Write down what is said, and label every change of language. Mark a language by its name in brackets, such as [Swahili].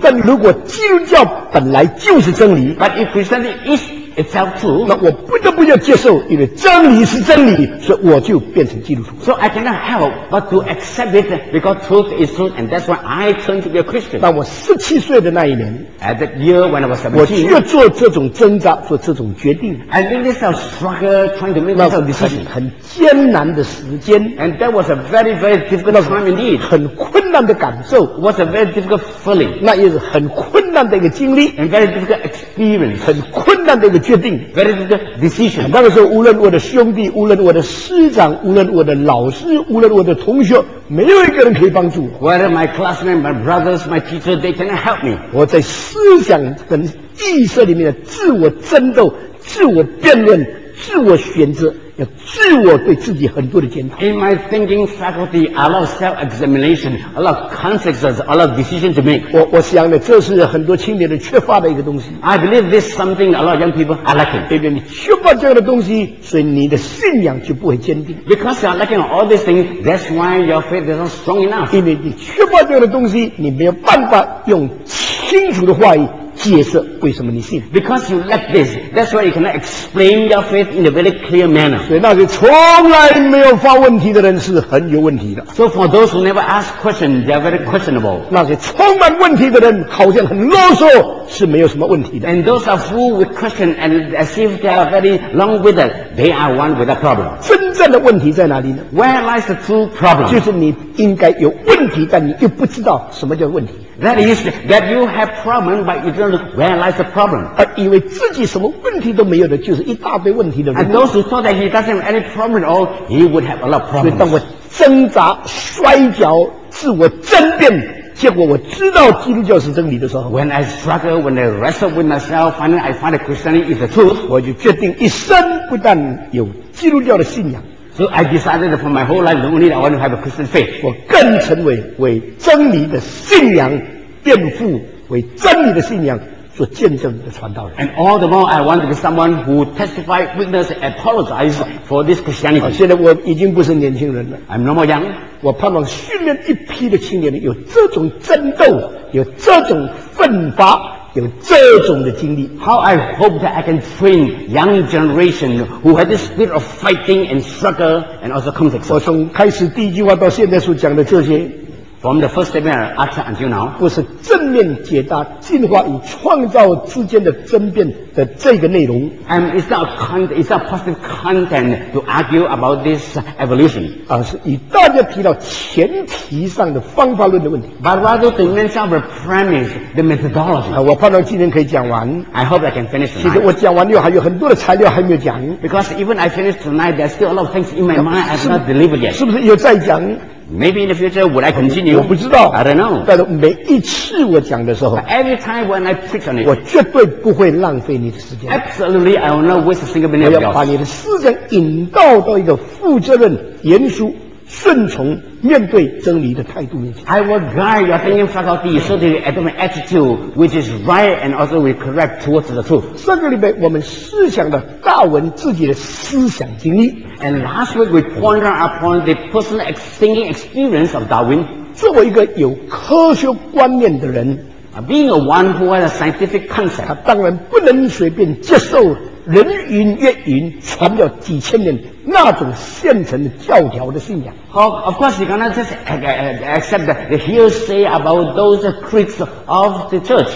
[Chinese] 但如果基督教本来就是真理， [English] But if Christianity is itself true, [Chinese] 那我不得不要接受，因为真理是真理，所以我就变成基督徒。 [English] So I cannot help but to accept it because truth is truth, and that's why I turn to be a Christian. [Chinese] 当我十七岁的那一年， [English] at that year when I was 17, [Chinese] 我越做这种挣扎，做这种决定。 [English] And in this struggle, trying to make this decision, [Chinese] 很艰难的时间。 [English] And that was a very, very difficult time indeed. [Chinese] 很困难的感受。 [English] Was a very difficult feeling. [Chinese] 那也是很困难的一个经历。 [English] And very difficult experience. [Chinese] 很困难的一个决定。 [English] Very difficult decision. [Chinese] 那个时候，无论我的兄弟，无论我的师长，无论我的老师，无论我的同学，没有一个人可以帮助我。 [English] Whether my classmates, my brothers, my teachers, they cannot help me. [Chinese] 我在思想跟意识里面的自我争斗、自我辩论、自我选择，要自我对自己很多的检讨。 [English] In my thinking faculty, a lot of self-examination, a lot of consequences, a lot of decision to make. [Chinese] 我想呢，这是很多青年人缺乏的一个东西。 [English] I believe this is something a lot of young people are lacking. [Chinese] 因为你缺乏这样的东西，所以你的信仰就不会坚定。 [English] Because you are lacking all these things, that's why your faith is not strong enough. [Chinese] 因为你缺乏这样的东西，你没有办法用清楚的话语解释为什么你信。 [English] Because you lack this, that's why you cannot explain your faith in a very clear manner. [Chinese] 所以那些从来没有发问题的人是很有问题的。 [English] So for those who never ask questions, they are very questionable. [Chinese] 那些充满问题的人好像很啰嗦，是没有什么问题的。 [English] And those are full with questions and as if they are very long with it, they are one with a problem. [Chinese] 真正的问题在哪里呢？ [English] Where lies the true problem? [Chinese] 就是你应该有问题，但你又不知道什么叫问题。 [English] That is that you have problem, but you don't know where lies the problem. [Chinese] 而以为自己什么问题都没有的，就是一大堆问题的人。 [English] And those who thought that he doesn't have any problem at all, he would have a lot of problems. [Chinese] 所以当我挣扎、摔跤、自我争辩，结果我知道基督教是真理的时候， [English] When I struggle, when I wrestle with myself, finally I find that Christianity is the truth. [Chinese] 我就决定一生不但有基督教的信仰。 [English] So I decided for my whole life, the only I want to have a Christian faith. [Chinese] 我更成为真理的信仰辩护，为真理的信仰做见证的传道人。 [English] And all the more, I want to be someone who testify, witness, apologize for this Christianity. [Chinese] 现在我已经不是年轻人了。 [English] I'm no more young. [Chinese] 我盼望训练一批的青年人有这种争斗，有这种奋发，有这种的经历。 [English] How I hope that I can train young generation who had the spirit of fighting and struggle and also conflict. [Chinese] 我从开始第一句话到现在所讲的这些， [English] From the first statement after until now, [Chinese] 不是正面解答进化与创造之间的争辩的这个内容。 [English] And it's not positive content to argue about this evolution. [Chinese] 而是与大家提到前提上的方法论的问题。 [English] But rather to mention the premise, the methodology. [Chinese] 我盼望今天可以讲完。 [English] I hope I can finish tonight. [Chinese] 其实我讲完了还有很多的材料还没有讲。 [English] Because even I finish tonight, there's still a lot of things in my mind I've not delivered yet. [Chinese] 是不是又再讲？ [English] Maybe in the future, would I continue? [Chinese] 我不知道。 [English] I don't know. [Chinese] 但是每一次我讲的时候， [English] But every time when I preach on it, [Chinese] 我绝对不会浪费你的时间。 [English] Absolutely, I will not waste a single minute of yours. [Chinese] 我要把你的思想引导到一个负责任、严肃、顺从面对真理的态度面前。 [English] I will guide your thinking faculty so that you adopt an attitude which is right and also will correct towards the truth. [Chinese] 上个礼拜我们思想的大文自己的思想经历。 [English] And last week we pondered upon the personal thinking experience of Darwin. [Chinese] 作为一个有科学观念的人， [English] Being a one who has a scientific concept, [Chinese] 他当然不能随便接受人云亦云传了几千年那种现成的教条的信仰。 [English] Of course, you cannot just accept the hearsay about those creeds of the church.